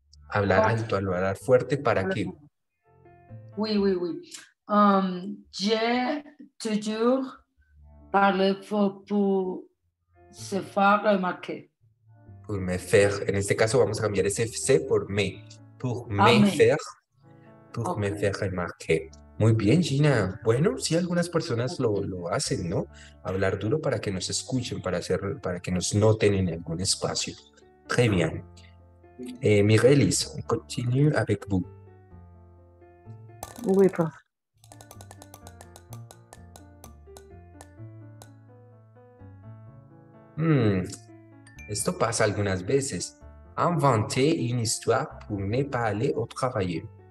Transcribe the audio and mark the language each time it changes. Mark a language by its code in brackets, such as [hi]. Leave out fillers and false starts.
[es] Hablar alto, hablar fuerte, ¿para qué? [fr] Oui. J'ai toujours parlé fort pour se faire remarquer. Pour me faire. [es] En este caso vamos a cambiar ese C por me. [fr] Pour me faire. Pour me faire remarquer. [es] Muy bien, Gina. Bueno, sí, algunas personas lo hacen, ¿no? Hablar duro para que nos escuchen, para que nos noten en algún espacio. [fr] Très bien. Mirelis, on continue avec vous. Oui, prof. [es] Esto pasa algunas veces. [fr] Inventer une histoire pour ne pas aller au travail.